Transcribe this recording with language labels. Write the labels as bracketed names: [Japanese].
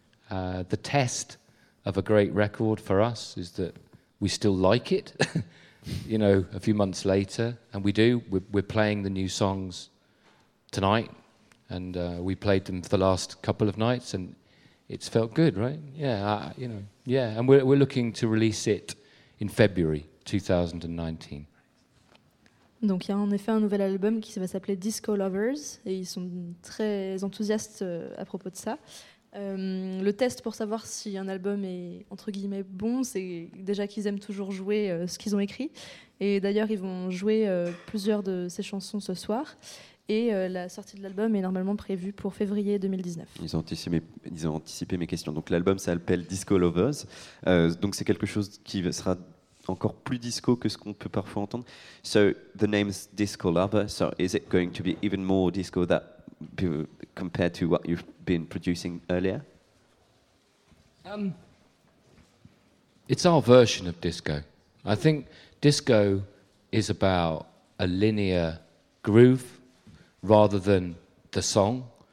[English] The test of a great record for us is that we still like it, you know, a few months later, and we do. We're playing the new songs tonight, and we played them for the last couple of nights, and it's felt good, right? Yeah, and we're looking to release it in February 2019. [French] Donc il y a en effet un nouvel album qui va s'appeler Disco Lovers, et ils sont très enthousiastes à propos de ça. Le test pour savoir si un album est entre guillemets bon, c'est déjà qu'ils aiment toujours jouer ce qu'ils ont écrit, et d'ailleurs ils vont jouer plusieurs de ces chansons ce soir, et la sortie de l'album est normalement prévue pour février 2019. Ils ont anticipé mes questions. Donc l'album s'appelle Disco Lovers, donc c'est quelque chose qui sera encore plus disco que ce qu'on peut parfois entendre. [English] So the name is Disco Lover. So is it going to be even more disco that compared to what you've been producing earlier? It's our version of disco. I think disco is about a linear groove rather than the song.